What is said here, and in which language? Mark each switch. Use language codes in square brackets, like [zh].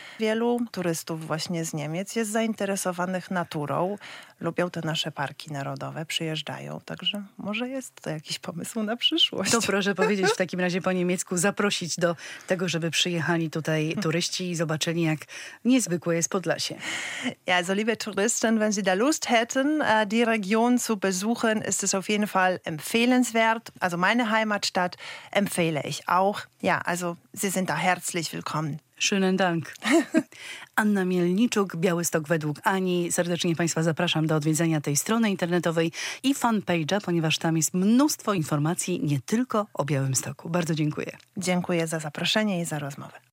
[pl] Wielu turystów właśnie z Niemiec jest zainteresowanych naturą, lubią te nasze parki narodowe, przyjeżdżają. Także może jest to jakiś pomysł na przyszłość. To proszę powiedzieć w takim razie po niemiecku, zaprosić do tego, żeby przyjechali tutaj turyści i zobaczyli, jak niezwykłe jest Podlasie. [de] Ja, also liebe Touristen, wenn Sie da Lust hätten, die Region zu besuchen, ist es auf jeden Fall empfehlenswert. Also meine Heimatstadt empfehle ich auch. Ja, also Sie sind da herzlich willkommen. Schönen Dank. [pl] Anna Mielniczuk, Białystok według Ani. Serdecznie Państwa zapraszam do odwiedzenia tej strony internetowej i fanpage'a, ponieważ tam jest mnóstwo informacji nie tylko o Białymstoku. Bardzo dziękuję. Dziękuję za zaproszenie i za rozmowę.